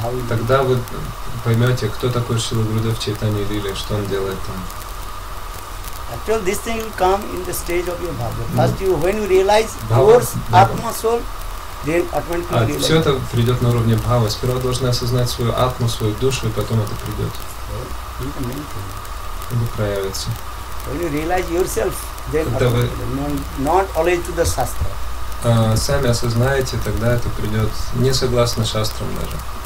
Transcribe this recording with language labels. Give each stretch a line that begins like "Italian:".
Russian: Тогда вы поймете, кто такой Шрила Гурудев Чайтанья Лиле, что он делает там.
English: Actually, this thing will come in the stage of your bhava. First, you when you realize your atma soul, then automatically.
Russian: Все это придет на уровне бхавы. Сперва должны осознать свою атму, свою душу, и потом это придет. Это проявится.
English: When you realize yourself, then not always to the shastra.
Russian: Сами осознаете, тогда это придет не согласно шастрам даже.